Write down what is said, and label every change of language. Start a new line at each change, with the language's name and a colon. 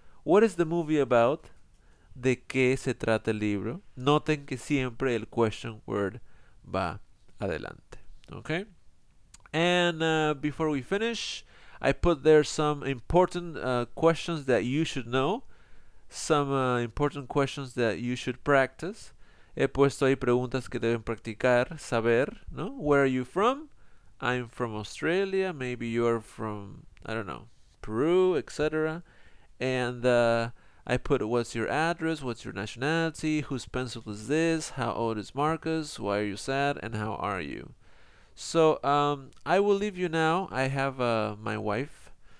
English: What is the movie about?
Spanish: ¿De qué se trata el libro? Noten que siempre el question word va adelante. Okay?
English: And before we finish, I put there some important questions that you should know. Some important questions that you should practice.
Spanish: He puesto ahí preguntas que deben practicar, saber, ¿no?
English: Where are you from? I'm from Australia. Maybe you are from, I don't know, Peru, etc. And I put, what's your address? What's your nationality? Whose pencil is this? How old is Marcus? Why are you sad? And how are you? So, I will leave you now. I have my wife.